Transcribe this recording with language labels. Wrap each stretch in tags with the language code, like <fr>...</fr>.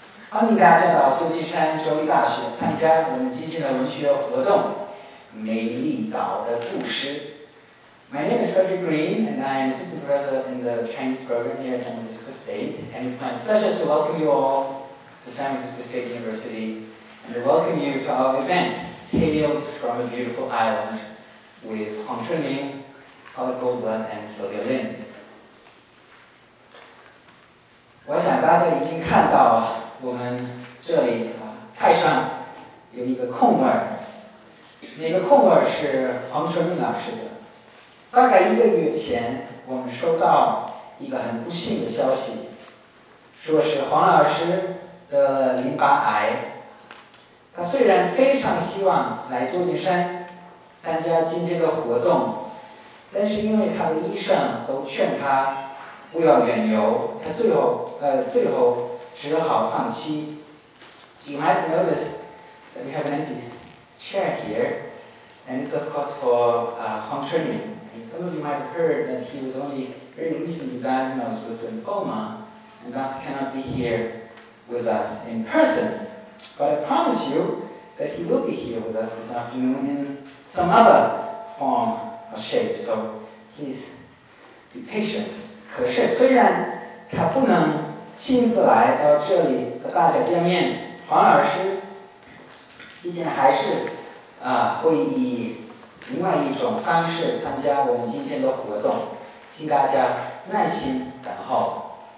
<zh>欢迎大家到旧金山州立大学参加我们基金的文学活动《美丽岛的故事》。</zh> <en>My name is Frederick Green, and I am assistant professor in the Chinese program here at San Francisco State. And it's my pleasure to welcome you all to San Francisco State University and to welcome you to our event, Tales from a Beautiful Island, with Chun-ming, Goldblatt, and Sylvia Lin.</en> <zh>我想大家已经看到我们这里台上有一个空位，那个空位是黄春明老师的。大概一个月前，我们收到一个很不幸的消息，说是黄老师得淋巴癌。他虽然非常希望来旧金山参加今天的活动，但是因为他的医生都劝他不要远游，他最后只好放弃。</zh> <en>You might notice that we have an empty chair here, and it's of course for Huang Chun-ming. And some of you might have heard that he was only very recently diagnosed with lymphoma, and thus cannot be here with us in person. But I promise you that he will be here with us this afternoon in some other form or shape, so please be patient.</en> <zh>可是虽然他不能亲自来到这里和大家见面，黄老师今天还是会以另外一种方式参加我们今天的活动，请大家耐心等候。</zh>